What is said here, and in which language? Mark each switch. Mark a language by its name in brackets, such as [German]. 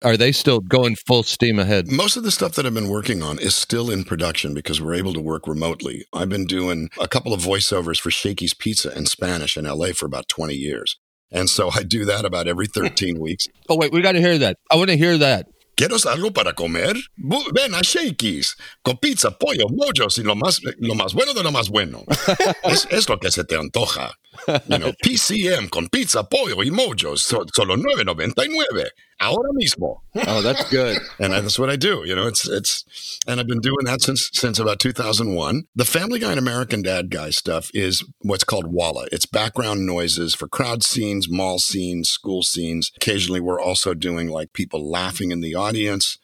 [English] Are they still going full steam ahead? Most of the stuff that I've been working on is still in production because we're able to work remotely. I've been doing a couple of voiceovers for Shakey's Pizza in Spanish in LA for about 20 years. And so I do that about every 13 weeks. Oh, wait, we got to hear that. I want to hear that. [Spanish] ¿Quieres algo para comer? Ven a Shakey's, con pizza, pollo, mojos, y lo más bueno de lo más bueno. Es lo que se te antoja. [English] You know, [Spanish] PCM, con pizza, pollo, y mojos, solo $9.99, ahora mismo. [English] Oh, that's good. And that's what I do, you know, it's and I've been doing that since about 2001. The Family Guy and American Dad Guy stuff is what's called WALA. It's background noises for crowd scenes, mall scenes, school scenes. Occasionally, we're also doing, like, people laughing in the audience.